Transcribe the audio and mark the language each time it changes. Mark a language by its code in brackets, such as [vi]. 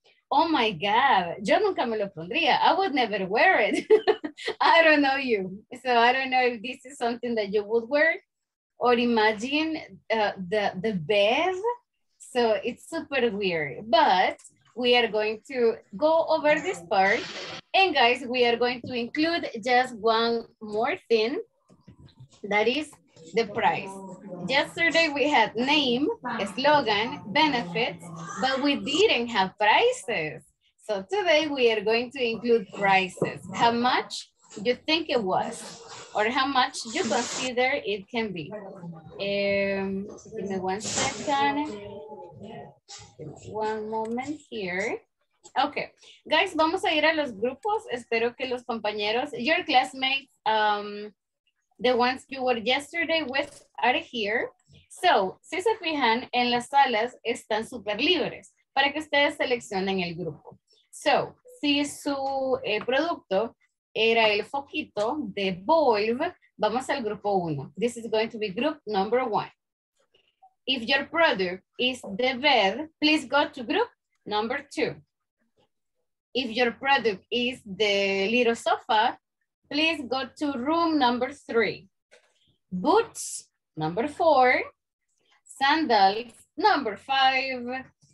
[en] Oh my God, [es] yo nunca me lo pondría. [en] I would never wear it. I don't know you. So I don't know if this is something that you would wear, or imagine the bed. So it's super weird, but we are going to go over this part. And guys, we are going to include just one more thing, that is the price. Yesterday we had name, slogan, benefits, but we didn't have prices. So today we are going to include prices. How much you think it was, or how much you consider it can be. Give me 1 second. One moment here. Okay, guys, [es] vamos a ir a los grupos. Espero que los compañeros, [en] your classmates, the ones you were yesterday with are here. [es] So, si se fijan, en las salas están super libres para que ustedes seleccionen el grupo. So, si su producto era el foquito de bulb, vamos al grupo uno. [en] This is going to be group number one. If your product is the bed, please go to group number two. If your product is the little sofa, please go to room number three. Boots, number four. Sandals, number five.